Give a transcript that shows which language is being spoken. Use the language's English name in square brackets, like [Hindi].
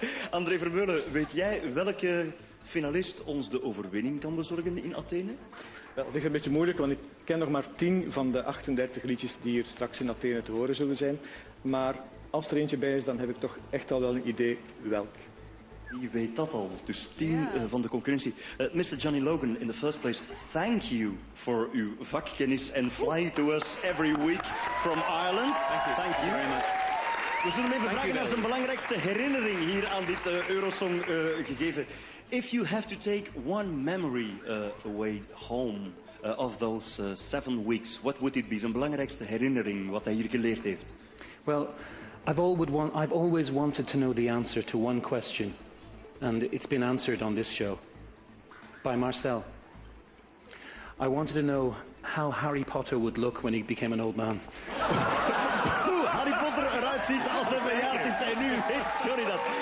[Dutch] André Vermeulen, weet jij welke finalist ons de overwinning kan bezorgen in Athene? Wel, dat is een beetje moeilijk, want ik ken nog maar 10 van de 38 liedjes die hier straks in Athene te horen zullen zijn. Maar als er eentje bij is, dan heb ik toch echt al wel een idee welk. Wie weet dat al? Dus 10 van de concurrentie. Mr. [English] Johnny Logan, in the first place, thank you for [Dutch] uw vakkennis [English] and flying to us every week from Ireland. Thank you. Thank you. [Dutch] We zullen hem even vragen naar zijn belangrijkste herinnering hier aan dit Eurosong gegeven. [English] If you have to take one memory away home of those 7 weeks, what would it be? [Dutch] Zijn belangrijkste herinnering wat hij hier geleerd heeft? [English] Well, I've always wanted to know the answer to one question, and it's been answered on this show by Marcel. I wanted to know how Harry Potter would look when he became an old man. [Dutch] Harry Potter eruit ziet als hij bejaard is en nu weet Johnny dat.